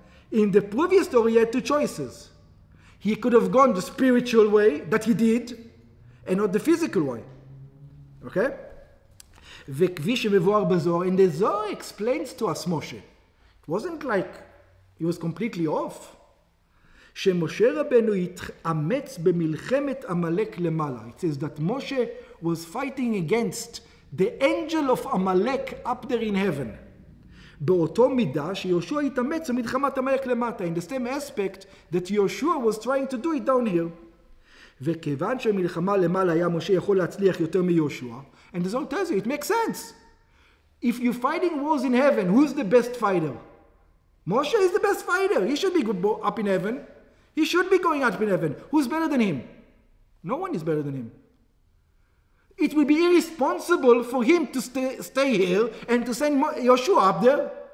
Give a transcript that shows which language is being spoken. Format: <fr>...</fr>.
<en>In the previous story, he had two choices. He could have gone the spiritual way that he did, and not the physical way. Okay?</en> <he>וכבי שמבואר בזוהר,</he> <en>and the Zohar explains to us, Moshe, it wasn't like he was completely off.</en> <he>שמשה רבנו התאמץ במלחמת עמלק למעלה.</he> <en>It says that Moshe was fighting against the angel of Amalek up there in heaven.</en> <he>באותו מידה שיהושע התאמץ במלחמת עמלק למטה.</he> <en>In the same aspect that Yeshua was trying to do it down here.</en> <he>וכיוון שמלחמה למעלה היה משה יכול להצליח יותר מיהושע.</he> <en>And this all tells you, it makes sense. If you're fighting wars in heaven, who's the best fighter? Moshe is the best fighter. He should be up in heaven. He should be going up in heaven. Who's better than him? No one is better than him. It would be irresponsible for him to stay here and to send Yeshua up there.</en>